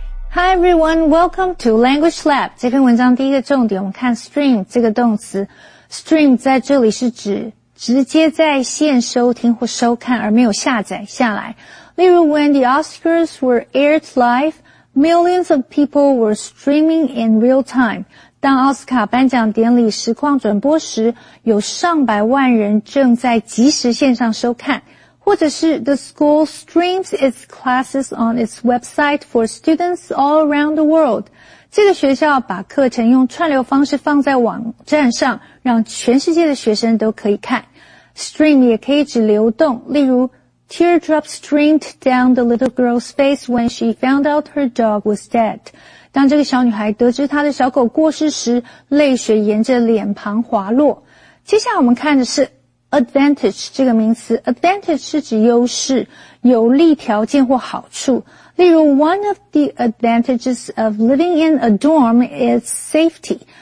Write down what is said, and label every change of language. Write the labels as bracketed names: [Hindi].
[English] Hi everyone, welcome to Language Lab. [Chinese] 这篇文章第一个重点，我们看 stream 这个动词。 stream 在这里是指直接在线收听或收看，而没有下载下来。 [English] 例如 ，When the Oscars were aired live, millions of people were streaming in real time. [Chinese] 当奥斯卡颁奖典礼实况转播时，有上百万人正在即时线上收看。或者是 [English] The school streams its classes on its website for students all around the world. [Chinese] 这个学校把课程用串流方式放在网站上，让全世界的学生都可以看。 [English] Stream [Chinese] 也可以指流动，例如 [English] Teardrops streamed down the little girl's face when she found out her dog was dead. [Chinese] 当这个小女孩得知她的小狗过世时，泪水沿着脸庞滑落。接下来我们看的是Advantage 这个名词 ，advantage 是指优势、有利条件或好处。 [English] 例如 ，One of the advantages of living in a dorm is safety.